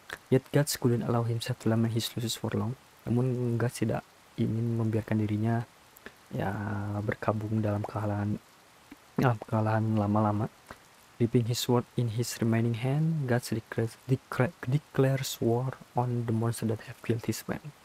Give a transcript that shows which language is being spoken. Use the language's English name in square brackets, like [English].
[English] Yet Guts couldn't allow himself to lament his losses for long. [Indonesian] Namun Guts tidak ingin membiarkan dirinya ya berkabung dalam kekalahan lama-lama. [English] Gripping his sword in his remaining hand, Guts declares war on the monster that have killed his men.